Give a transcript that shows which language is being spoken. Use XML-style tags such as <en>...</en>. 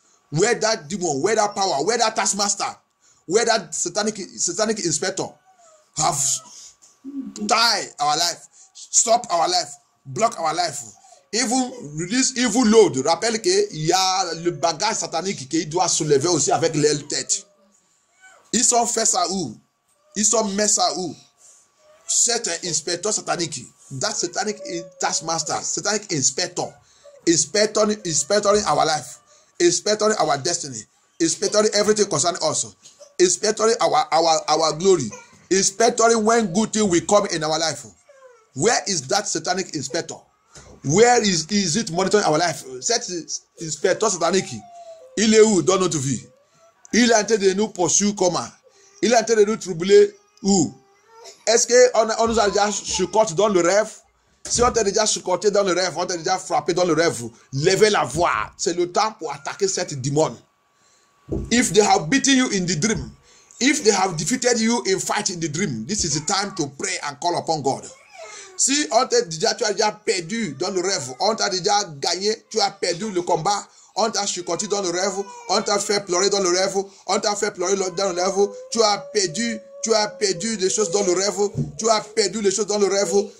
<en>Where that demon, where that power, where that taskmaster, where that satanic inspector have tied our life, stop our life, block our life, even release evil load.</en> <fr>Rappelle que il y a le bagage satanique qui doit soulever aussi avec l'aile tête. Ils sont fait ça où? Ils sont mis ça où? Cet inspecteur satanique,</fr> <en>that satanic taskmaster, satanic inspector, inspecting our life, inspecting our destiny, inspecting everything concerning us, inspecting our glory, inspecting when good thing will come in our life. Where is that satanic inspector? Where is it monitoring our life?</en> <fr>Cet inspecteur satanique, il est où dans notre vie? Il est en train de nous poursuivre comment? Il est en train de nous troubler où? Est-ce qu'on nous a déjà chuchoté dans le rêve? Si on t'a déjà chuchoté dans le rêve, on t'a déjà frappé dans le rêve, levez la voix. C'est le temps pour attaquer cette démon.</fr> <en>If they have beaten you in the dream, if they have defeated you in fight in the dream, this is the time to pray and call upon God.</en> <fr>Si on t'a déjà, tu as déjà perdu dans le rêve, on t'a déjà gagné, tu as perdu le combat, on t'a chuchoté dans le rêve, on t'a fait pleurer dans le rêve, on t'a fait pleurer dans le rêve, tu as perdu. Tu as perdu les choses dans le rêve. Tu as perdu les choses dans le rêve.</fr>